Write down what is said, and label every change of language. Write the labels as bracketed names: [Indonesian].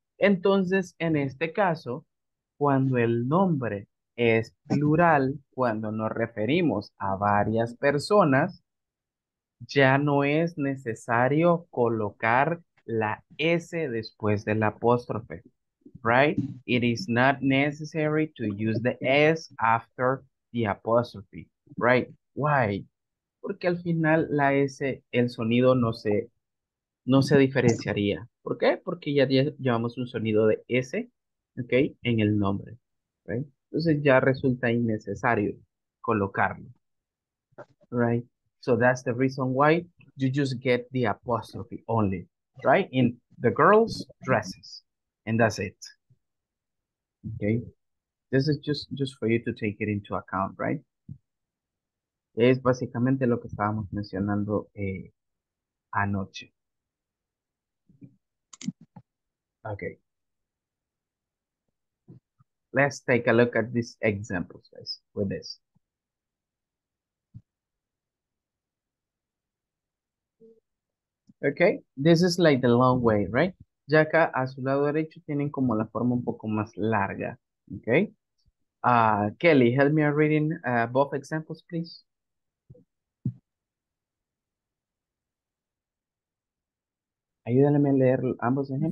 [Spanish] Entonces, en este caso, cuando el nombre es plural, cuando nos referimos a varias personas, ya no es necesario colocar la S después del apóstrofe, right? [English] It is not necessary to use the S after the apostrophe, right? Why? [Spanish] Porque al final la S, el sonido no se diferenciaría. ¿Por qué? Porque ya llevamos un sonido de S, ¿ok? En el nombre, right? Entonces ya resulta innecesario colocarlo, right? [English] So that's the reason why you just get the apostrophe only, right? In the girl's dresses, and that's it, okay? This is just for you to take it into account, right? [Spanish] Es básicamente lo que estábamos mencionando anoche. [English] Okay. Let's take a look at these examples, guys, with this. Okay, this is like the long way, right? [Spanish] Ya acá a su lado derecho tienen como la forma un poco más larga, okay? [English] Kelly, help me reading both examples, please. [Spanish] Ayúdame a leer ambos ejemplos.